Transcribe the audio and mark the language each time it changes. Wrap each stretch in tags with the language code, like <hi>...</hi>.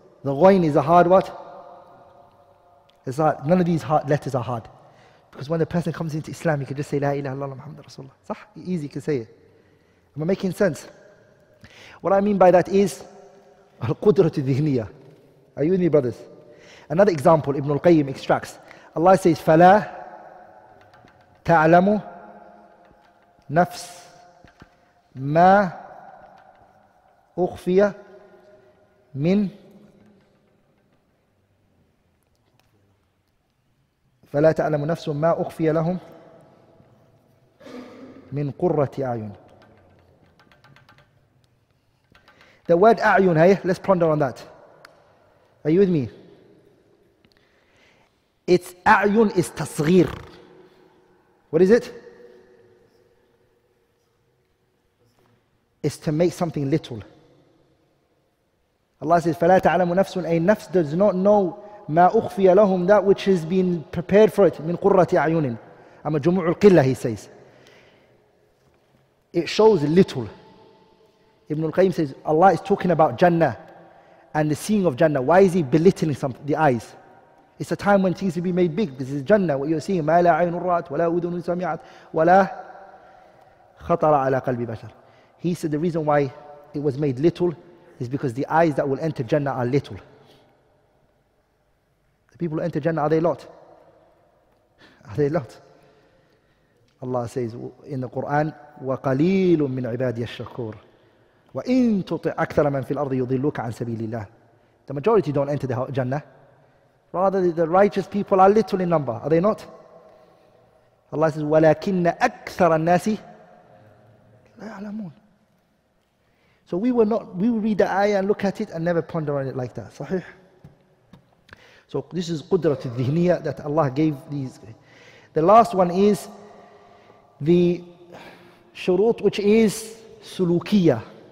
<en>The ghoin is a hard what? It's hard. None of these hard letters are hard. Because when a person comes into Islam, you can just say,</en> <ar>La ilaha illallah Muhammad Rasulullah.</ar> <en>Sah? Easy, you can say it. Am I making sense? What I mean by that is,</en> <ar>al-qudratu dhihniya.</ar> <en>Are you with me, brothers? Another example, Ibn al-Qayyim extracts. Allah says,</en> <ar>فَلَا تَعْلَمُ نَفْسْ مَا أُخْفِيَ مِنْ فَلَا تَعْلَمُ نَفْسْ مَا أُخْفِيَ لَهُمْ مِنْ قُرَّةِ أَعْيُنِ.</ar> <en>The word a'yun, hey, let's ponder on that. Are you with me? It's a'yun is tasghir. What is it? It's to make something little. Allah says,</en> <ar>فَلَا تَعْلَمُ نَفْسٌ.</ar> <en>A nafs does not know</en> <ar>ما أخفي لهم</ar> <en>that which has been prepared for it</en> <ar>من قرة أعين. أما جموع القلة,</ar> <en>he says, it shows little. Ibn al-Qayyim says Allah is talking about Jannah and the seeing of Jannah. Why is he belittling the eyes? It's a time when things will be made big. This is Jannah, what you're seeing.</en> <ar>مَا لَا عَيْنٌ رَأَتْ وَلَا أُذُنٌ سَمِعَتْ وَلَا خَطَرَ عَلَى قَلْبِ بَشَرٍ.</ar> <en>He said the reason why it was made little is because the eyes that will enter Jannah are little. The people who enter Jannah, are they lot? Are they lot? Allah says in the Quran,</en> <ar>وَقَلِيلٌ مِّنْ عِبَادِيَ الشَّكُورِ وَإِنْ تُطِعْ أَكْثَرَ مَنْ فِي الْأَرْضِ يُضِلُّكَ عَنْ سَبِيلِ اللَّهِ.</ar> <en>The majority don't enter the Jannah. Rather, the righteous people are little in number. Are they not? Allah says,</en> <ar>وَلَكِنَّ أَكْثَرَ النَّاسِ لَا يَعْلَمُونَ.</ar> <en>So we will read the ayah and look at it and never ponder on it like that. Sahih? So this is</en> <ar>قُدْرَةُ الذِّهْنِيَة</ar> <en>that Allah gave these. The last one is the shurut, which is سُلُوكِيَة.</en>